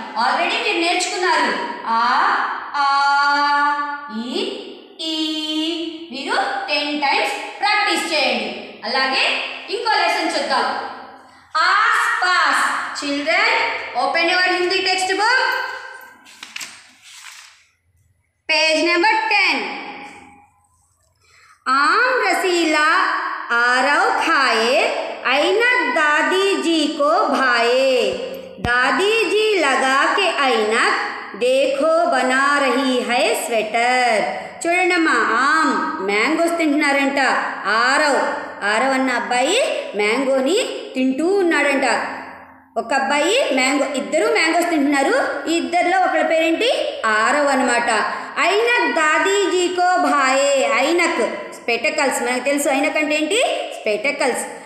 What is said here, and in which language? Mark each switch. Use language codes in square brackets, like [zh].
[te] Already మీరు నేర్చుకున్నారు ఆ ఆ ఈ ఈ, మీరు 10 టైమ్స్ ప్రాక్టీస్ చేయండి. అలాగే ఇంకో లెసన్ చూద్దాం. ఆస్ pass. [en] children open your Hindi textbook [hi] page number 10। आम रसीला आरव खाए, ऐनक दादी जी को भाए, दादी जी लगा के ऐनक, देखो बना रही है स्वेटर। [te] చూడండమ్మా, ఆమ్ మ్యాంగోస్ తింటున్నారంట, ఆరవ్ ఆరవ్ అన్న అబ్బాయి మ్యాంగోని తింటూ ఉన్నాడంట. ఒక అబ్బాయి మ్యాంగో, ఇద్దరు మ్యాంగోస్ తింటున్నారు. ఈ ఇద్దరిలో ఒకళ్ళ పేరేంటి, ఆరవ్ అనమాట. [hi] ఐనక్ దాదీజీకో భాయే, [te] ఐనక్ స్పెటకల్స్, మనకు తెలుసు ఐనక్ అంటే ఏంటి, స్పెటకల్స్.